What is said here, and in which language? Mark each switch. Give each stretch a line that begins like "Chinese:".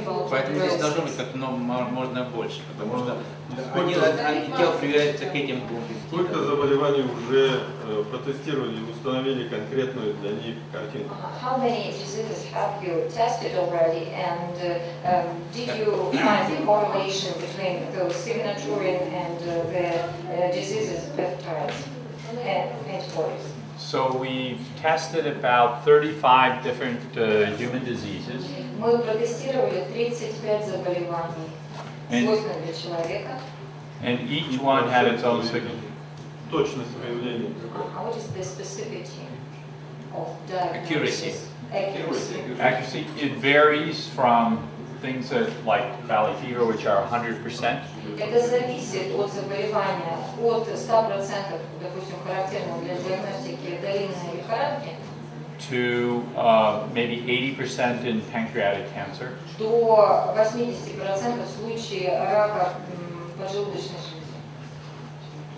Russian: Поэтому здесь должно быть как можно больше, потому что антител привязывается к этим пунктам. Сколько заболеваний уже протестировали и установили конкретную для них картинку?
English: How many diseases have you tested already, and did you find the correlation between the signaturin and the diseases peptides and antibodies? So we've tested about 35 different human diseases.
Russian: Мы протестировали 35 заболеваний свойственных для человека.
English: And each one had its own signal.
Russian: Точность выявления.
English: How is the specificity of the accuracy? It varies from things that like valley fever, which are 100%.
Russian: Это зависит от заболевания, от 100%, допустим, характерного для диагностики долинной лихорадки.
English: To maybe 80% in pancreatic cancer.
Russian: До 80% в случае рака поджелудочной железы.